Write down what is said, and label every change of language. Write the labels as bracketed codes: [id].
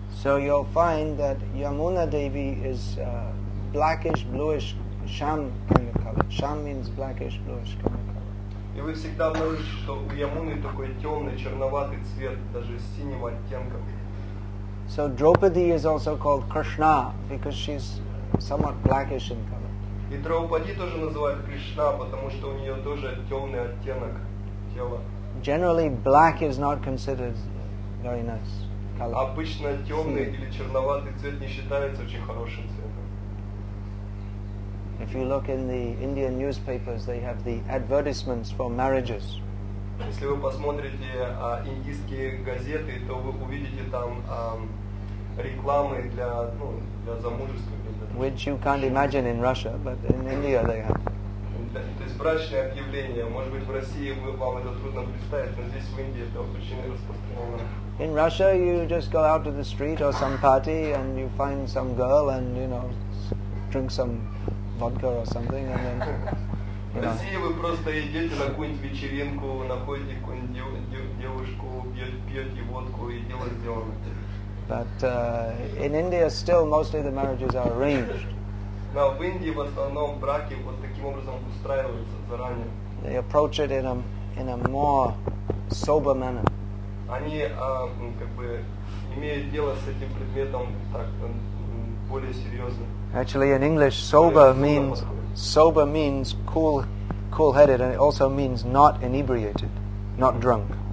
[en] So you'll find that Yamuna Devi is blackish, bluish sham kind of color. Sham means blackish, bluish kind of color. [ru] И вы всегда обнаружите, что у Ямуны такой темный, черноватый цвет, даже синего оттенка. [en] So Draupadi is also called Krishna because she's somewhat blackish in color. [ru] И Драупади тоже называют Кришна, потому что у нее тоже темный оттенок тела. [en] Generally, black is not considered very nice color. [ru] Обычно темный или черноватый цвет не считается очень хорошим цветом. [en] If you look in the Indian newspapers, they have the advertisements for marriages. [ru] Если вы посмотрите индийские газеты, то вы увидите там рекламы для, ну, для замужества. [en] Which you can't imagine in Russia, but in India they have. [ru] То есть брачные объявления, может быть, в России вам это трудно представить, но здесь в Индии это очень распространено. [en] In Russia you just go out to the street or some party and you find some girl and, you know, drink some vodka or something and then, you know. [ru] В России вы просто идете на какую-нибудь вечеринку, находите какую-нибудь девушку, пьете водку и дело сделано. [en] But in India, still mostly the marriages are arranged. [ru] Now, в Индии в основном браки вот таким образом устраиваются заранее. [en] They approach it in a more sober manner. [ru] Они как бы имеют дело с этим предметом так более серьезно. [en] Actually, in English, sober means cool-headed, and it also means not inebriated, not drunk.